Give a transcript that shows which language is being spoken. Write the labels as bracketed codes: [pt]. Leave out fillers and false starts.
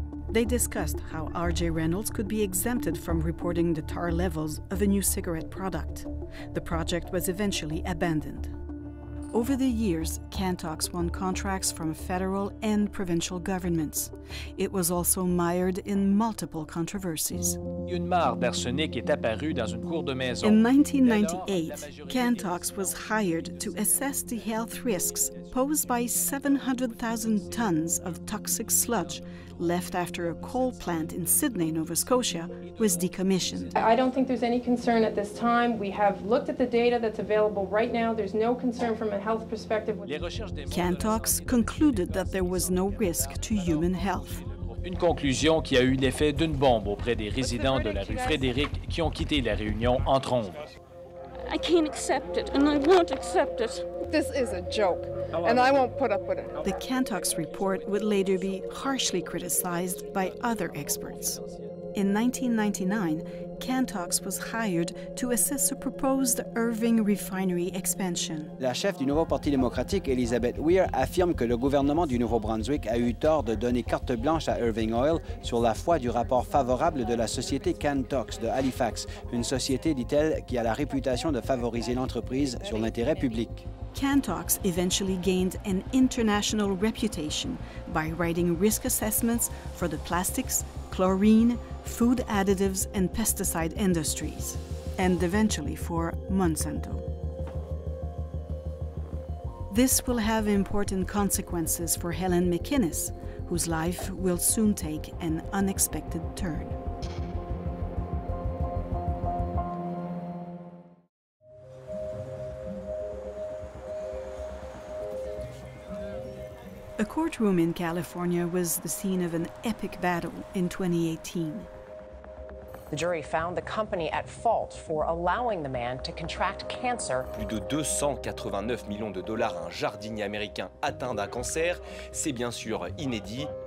[en] They discussed how R.J. Reynolds could be exempted from reporting the tar levels of a new cigarette product. The project was eventually abandoned. Over the years, Cantox won contracts from federal and provincial governments. It was also mired in multiple controversies. [fr] Une mare d'arsenic est apparue dans une cour de maison. [en] In 1998, Cantox was hired to assess the health risks posed by 700,000 tons of toxic sludge left after a coal plant in Sydney, Nova Scotia, was decommissioned. I don't think there's any concern at this time. We have looked at the data that's available right now. There's no concern from a health perspective. Cantox concluded that there was no risk to human health. [fr] Une conclusion qui a eu l'effet d'une bombe auprès des résidents de la rue Frédéric qui ont quitté la Réunion en trombe. [en] I can't accept it and I won't accept it. This is a joke and I won't put up with it. The Cantox report would later be harshly criticized by other experts. In 1999, Cantox was hired to assess a proposed Irving refinery expansion. [fr] La chef du Nouveau Parti démocratique, Elizabeth Weir, affirme que le gouvernement du Nouveau-Brunswick a eu tort de donner carte blanche à Irving Oil sur la foi du rapport favorable de la société Cantox de Halifax, une société, dit-elle, qui a la réputation de favoriser l'entreprise sur l'intérêt public. [en] Cantox eventually gained an international reputation by writing risk assessments for the plastics, chlorine, food additives and pesticide industries, and eventually for Monsanto. This will have important consequences for Helen McInnes, whose life will soon take an unexpected turn. A courtroom in California was the scene of an epic battle in 2018. The jury found the company at fault for allowing the man to contract cancer. [fr] Plus de 289 millions de dollars à un jardinier américain atteint d'un cancer, c'est bien sûr inédit.